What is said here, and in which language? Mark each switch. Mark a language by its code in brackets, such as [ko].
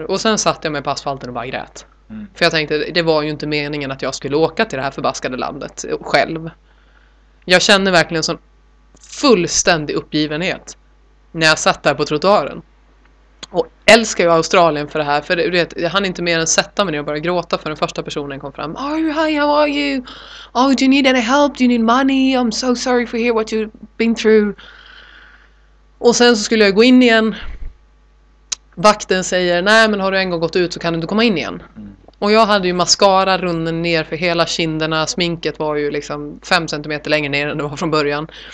[sv] Och sen satt jag mig på asfalten och bara grät. För jag tänkte, det var ju inte meningen att jag skulle åka till det här förbaskade landet själv. Jag känner verkligen sån fullständig uppgivenhet när jag satt där på trottoaren. Och älskar ju Australien för det här, för du vet, jag hann inte mer än sätta mig ner och börja gråta för den första personen kom fram. [en] Oh, hi, how are you? Oh, do you need any help? Do you need money? I'm so sorry for hear what you've been through. [sv] Och sen så skulle jag gå in igen. Vakten säger, nej men har du en gång gått ut så kan du inte komma in igen. Och jag hade ju mascara runnen ner för hela kinderna, sminket var ju liksom 5 cm längre ner än det var från början.